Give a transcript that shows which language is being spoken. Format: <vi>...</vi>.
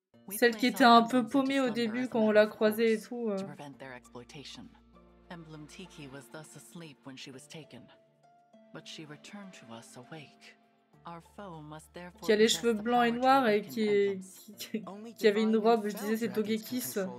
<fr>Celle qui était un peu paumée au début quand on l'a croisée et tout.</fr> <en>To prevent their exploitation. Emblem Tiki was thus asleep when she was taken. But she returned to us awake. Our foe must therefore.</en> <fr>Qui a les cheveux blancs et noirs et qui avait une robe, je disais, c'est Togekiss.</fr>